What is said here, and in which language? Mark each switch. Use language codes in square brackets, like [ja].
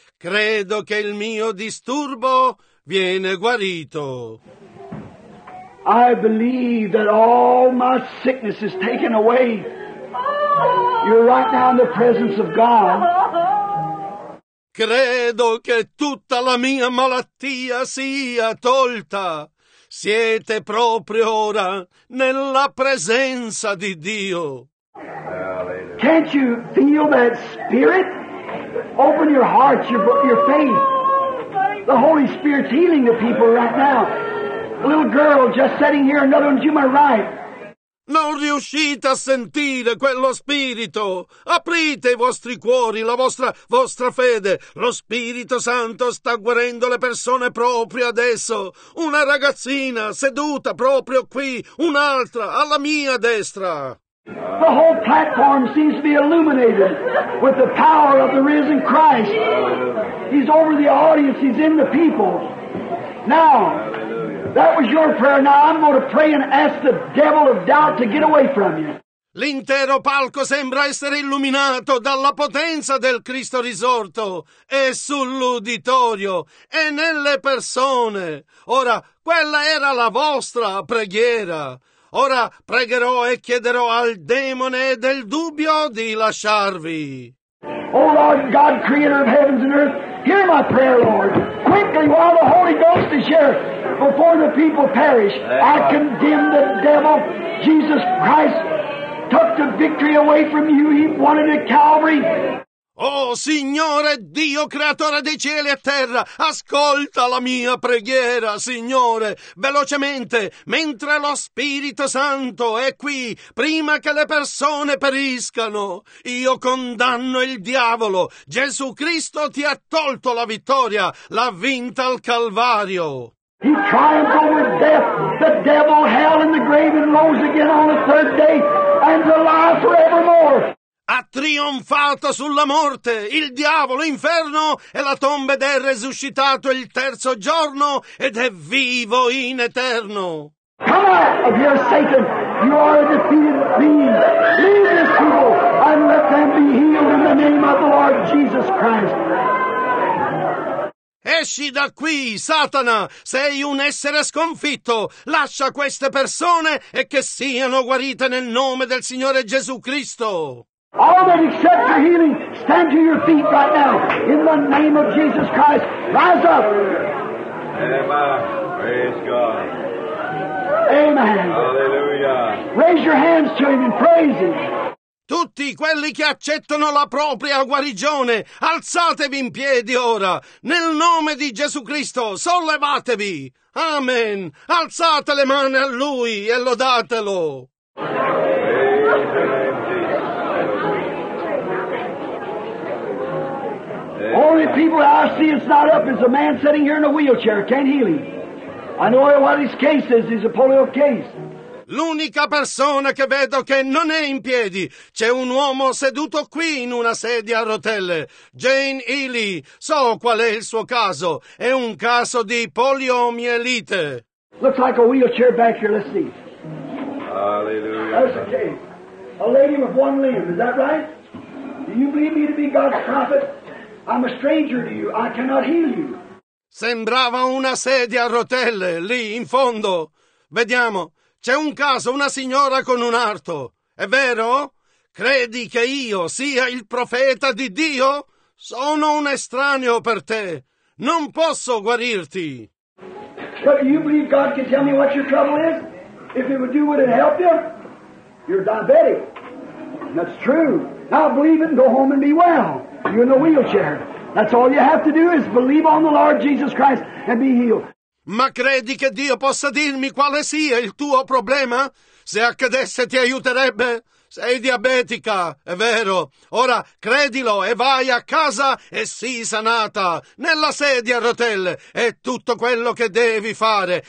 [it] Credo che il mio disturbo viene guarito. [en] I believe that all my sickness is taken away. You're right now in the presence of God. [it] Credo che tutta la mia malattia sia tolta. Siete proprio ora nella presenza di Dio. [en] Can't you feel that spirit? Open your heart, your faith. The Holy Spirit's healing the people right now. A little girl just sitting here, another one to my right. [it] Non riuscite a sentire quello spirito? Aprite i vostri cuori, la vostra fede. Lo Spirito Santo sta guarendo le persone proprio adesso. Una ragazzina seduta proprio qui, un'altra alla mia destra. [en] The whole platform seems to be illuminated with the power of the risen Christ. He's over the audience, he's in the people. Now, that was your prayer. Now I'm going to pray and ask the devil of doubt to get away from you. [it] L'intero palco sembra essere illuminato dalla potenza del Cristo risorto. È sull'uditorio, è nelle persone. Ora, quella era la vostra preghiera. Ora pregherò e chiederò al demone del dubbio di lasciarvi. [en] Oh Lord, God, creator of heavens and earth, hear my prayer, Lord. Quickly, while the Holy Ghost is here, before the people perish, I condemn the devil. Jesus Christ took the victory away from you. He won it at Calvary. [it] Oh, Signore Dio, creatore dei cieli e terra, ascolta la mia preghiera, Signore, velocemente, mentre lo Spirito Santo è qui, prima che le persone periscano. Io condanno il diavolo. Gesù Cristo ti ha tolto la vittoria, l'ha vinta al Calvario. [en] He triumphed over death, the devil, hell and the grave, and rose again on the third day, and alive forevermore. [it] Ha trionfato sulla morte, il diavolo, inferno e la tomba ed è resuscitato il terzo giorno ed è vivo in eterno. [en] Come out of here, Satan! You are a defeated being. Leave this people and let them be healed in the name of the Lord Jesus Christ. [it] Esci da qui, Satana! Sei un essere sconfitto! Lascia queste persone e che siano guarite nel nome del Signore Gesù Cristo! [en] All that accept your healing, stand to your feet right now. In the name of Jesus Christ, rise up. Amen. Praise God. Amen. Hallelujah. Raise your hands to him and praise him. [it] Tutti quelli che accettano la propria guarigione, alzatevi in piedi ora. Nel nome di Gesù Cristo, sollevatevi. Amen. Alzate le mani a lui e lodatelo. [en] Only people that I see it's not up is a man sitting here in a wheelchair. Can't heal him. I know what his case is. He's a polio case. [it] L'unica persona che vedo che non è in piedi, c'è un uomo seduto qui in una sedia a rotelle. Jane Healy, so qual è il suo caso. È un caso di poliomielite. [en] Looks like a wheelchair back here. Let's see. Hallelujah. That's okay. A lady with one limb. Is that right? Do you believe me to be God's prophet? I'm a stranger to you. I cannot heal you. [it] Sembrava una sedia a rotelle, lì in fondo. Vediamo, c'è un caso, una signora con un arto. È vero? Credi che io sia il profeta di Dio? Sono un estraneo per te. Non posso guarirti. [en] But do you believe God can tell me what your trouble is? If it would do, would it help you? You're diabetic. That's true. Now believe it and go home and be well. You're in the wheelchair. That's all you have to do is believe on the Lord Jesus Christ and be healed. [it] Ma credi che Dio possa dirmi quale sia il tuo problema? Se accadesse ti aiuterebbe? Sei diabetica, è vero. Ora credilo e vai a casa e sii sanata. Nella sedia a rotelle è tutto quello che devi fare.